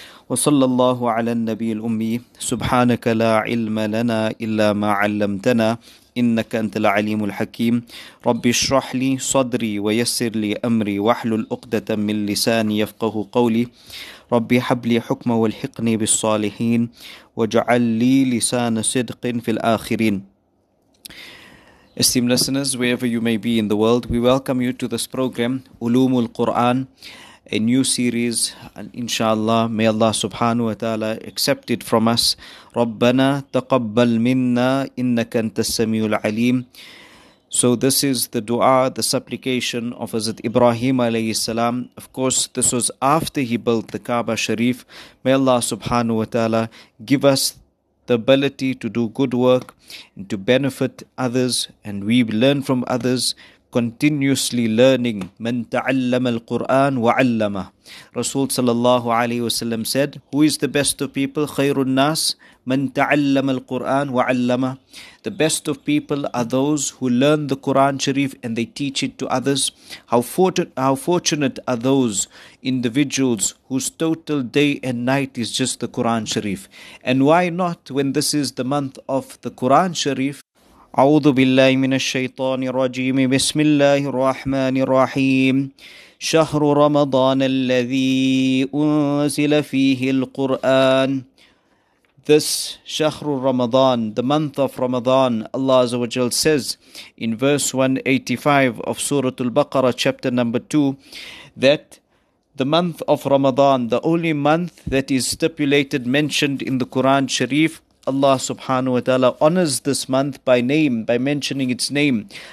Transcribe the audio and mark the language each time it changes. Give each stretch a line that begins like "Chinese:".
Arabic: وصلى الله على النبي الأمي سبحانك لا علم لنا إلا ما علمتنا إنك أنت العليم الحكيم رب اشرح لي صدري ويسر لي أمري واحلل عقدة من لساني يفقه قولي رب هب لي حكما والحقني بالصالحين واجعل لي لسان صدق في الآخرين.
English: Esteemed listeners, wherever you may be in the world, we welcome you to this program, Ulumul Quran, a new series, and inshallah, may Allah subhanahu wa ta'ala accept it from us.
Arabic: Rabbana taqabbal minna innaka antas samiul alim.
English: So this is the dua, the supplication of Hazrat Ibrahim alayhi salam. Of course, this was after he built the Kaaba Sharif. May Allah subhanahu wa ta'ala give us the ability to do good work and to benefit others, and we learn from others. Continuously learning.
Arabic: من تعلم القرآن وعلمه. رسول صلى الله عليه وسلم
English: said, who is the best of people?
Arabic: خير الناس من تعلم القرآن وعلمه.
English: The best of people are those who learn the Quran Sharif and they teach it to others. How fortunate are those individuals whose total day and night is just the Quran Sharif. And why not when this is the month of the Quran Sharif?
Arabic: أعوذ بالله من الشيطان الرجيم بسم الله الرحمن الرحيم شهر رمضان الذي أنزل فيه القرآن.
English: This شهر رمضان, the month of Ramadan, Allah Azza wa Jal says in verse 185 of Surah Al-Baqarah chapter number 2 that the month of Ramadan, the only month that is stipulated, mentioned in the Quran Sharif, Allah subhanahu wa ta'ala honors this month by name, by mentioning its name.